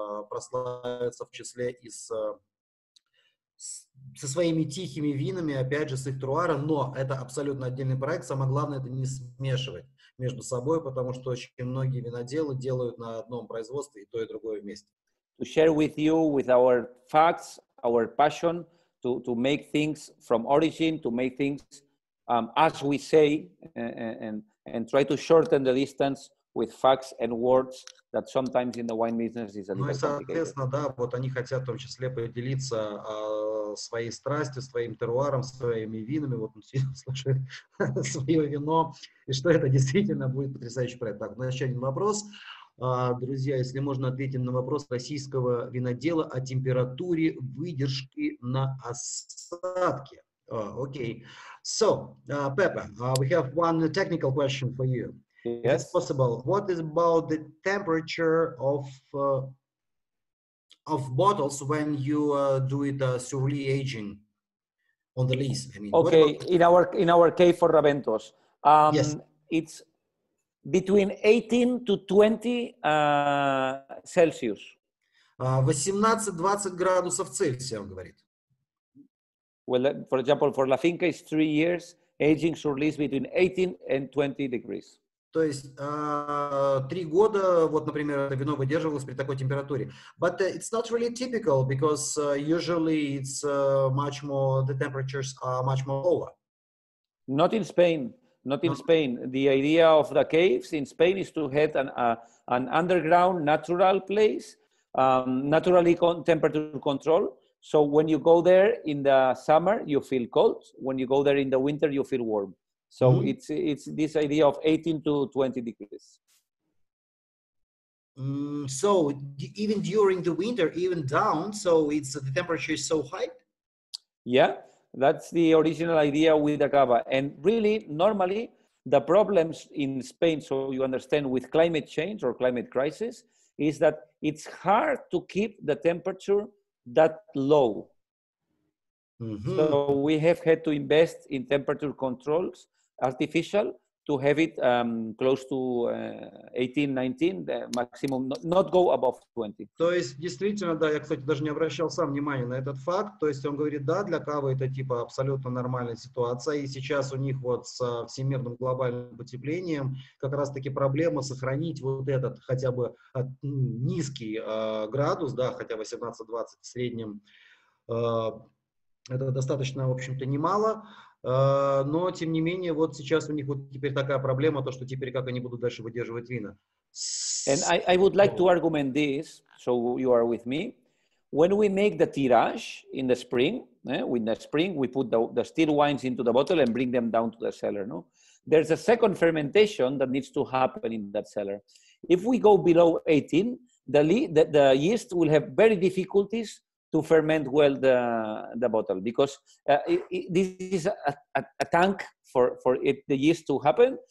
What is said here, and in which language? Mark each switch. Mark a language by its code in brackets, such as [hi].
[ru] прославиться в числе и со своими тихими винами, опять же, с их терруара, но это абсолютно отдельный проект, самое главное это не смешивать между собой, потому что очень многие виноделы делают на одном производстве и то, и другое вместе. [en] To share with you, with our facts, our passion, to make things from origin, to make things as we say, and try to shorten the distance with facts and words that sometimes in the wine business is a little complicated. [ru] Ну и, соответственно, да, вот они хотят в том числе поделиться своей страстью, своим терруаром, своими винами, вот он сидит, слушает свое вино, и что это действительно будет потрясающий проект. Так, еще один вопрос. Друзья, если можно, ответить на вопрос российского винодела о температуре выдержки на осадке. [en] Окей. So, Pepe, we have one technical question for you. Yes. It's possible. What is about the temperature of bottles when you do it surely aging on the lees? I mean, okay, in our case for Raventos, yes, it's between 18 to 20 Celsius. [ru] 18-20 градусов Цельсия, он говорит. [en] Well, for example, for La Finca, it's 3 years aging surely between 18 and 20 degrees. [ru] То есть 3 года, вот, например, это вино выдерживалось при такой температуре. [en] But it's not really typical because usually it's much more, the temperatures are much more lower. Not in Spain. Not in Spain. The idea of the caves in Spain is to have an underground natural place, naturally temperature control. So when you go there in the summer, you feel cold. When you go there in the winter, you feel warm. So it's this idea of 18 to 20 degrees. So even during the winter, even down, so it's the temperature is so high? Yeah, that's the original idea with the cava. And really, normally, the problems in Spain, so you understand, with climate change or climate crisis, is that it's hard to keep the temperature that low. Mm-hmm. So we have had to invest in temperature controls, artificial, to have it close to 18-19, the maximum, not go above 20. [ru] То есть, действительно, да, я, кстати, даже не обращал сам внимания на этот факт, то есть он говорит, да, для кавы это типа абсолютно нормальная ситуация, и сейчас у них вот с всемирным глобальным потеплением как раз-таки проблема сохранить вот этот хотя бы низкий градус, да, хотя 18-20 в среднем, это достаточно, в общем-то, немало. Но, тем не менее, вот сейчас у них вот теперь такая проблема, то, что теперь как они будут дальше выдерживать вина. [en] And I would like to argument this, so you are with me. When we make the tirage in the spring, in the spring we put the still wines into the bottle and bring them down to the cellar, no? There's a second fermentation that needs to happen in that cellar. If we go below 18, the yeast will have very difficulties to ferment well the bottle, because this is a tank for it, the yeast to happen.